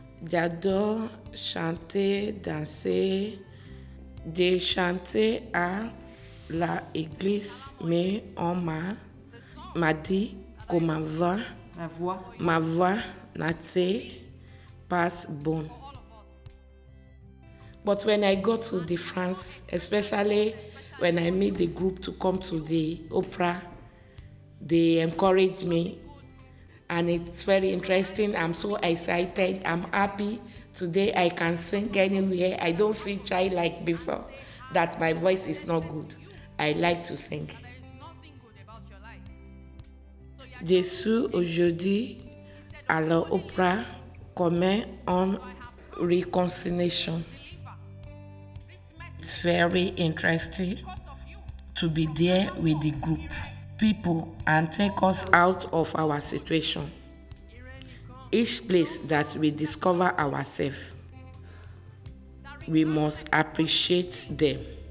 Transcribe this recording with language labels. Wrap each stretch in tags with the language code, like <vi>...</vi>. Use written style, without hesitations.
<fr>J'adore chanter, danser. J'ai chanté à l'église, mais on m'a dit que ma voix n'était pas bonne.</fr> <en>But when I go to the France, especially when I meet the group to come to the opera, they encourage me, and it's very interesting. I'm so excited. I'm happy. Today I can sing anywhere. I don't feel shy like before, that my voice is not good. I like to sing.</en> <fr>Je suis aujourd'hui à l'opéra comme un réconciliation.</fr> <en>It's very interesting to be there with the group, people, and take us out of our situation. Each place that we discover ourselves, we must appreciate them.</en>